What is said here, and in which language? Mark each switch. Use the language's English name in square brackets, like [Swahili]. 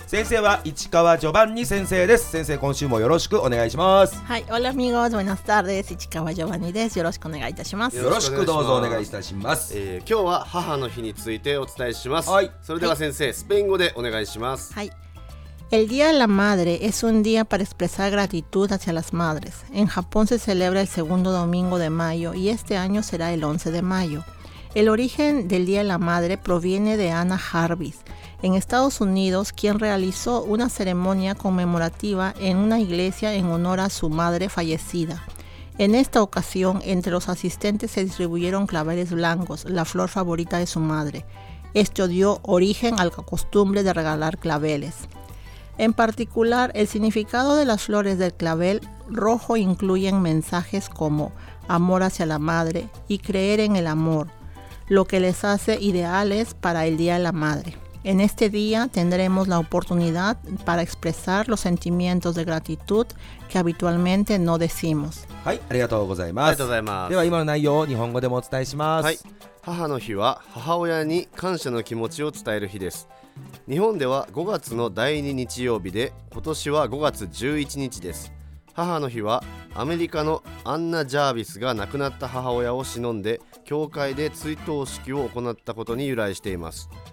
[Japanese] 先生は市川ジョバンニ先生です。先生、今週もよろしくお願いします。はい、オラミゴーズマナスターです。市川ジョバンニです。よろしくお願いいたします。よろしくどうぞお願いいたします。今日は母の日についてお伝えします。はい、それでは先生、はい、スペイン語でお願いします。はい。 [Spanish] El Día de la Madre es un día para expresar gratitud hacia las madres. En Japón se celebra el segundo domingo de mayo y este año será el 11 de mayo. El origen del Día de la Madre proviene de Anna Jarvis, en Estados Unidos, quien realizó una ceremonia conmemorativa en una iglesia en honor a su madre fallecida. En esta ocasión, entre los asistentes se distribuyeron claveles blancos, la flor favorita de su madre. Esto dio origen a la costumbre de regalar claveles. En particular, el significado de las flores del clavel rojo incluyen mensajes como amor hacia la madre y creer en el amor, lo que les hace ideales para el Día de la Madre. En este día tendremos la oportunidad para expresar los sentimientos de gratitud que habitualmente no decimos. [Japanese] はい、ありがとうございます。ありがとうございます。では今の内容を日本語でもお伝えします。はい。母の日は母親に感謝の気持ちを伝える日です。日本では5月の第2日曜日で、今年は5月11日です。母の日はアメリカのアンナ・ジャービスが亡くなった母親を偲んで、教会で追悼式を行ったことに由来しています。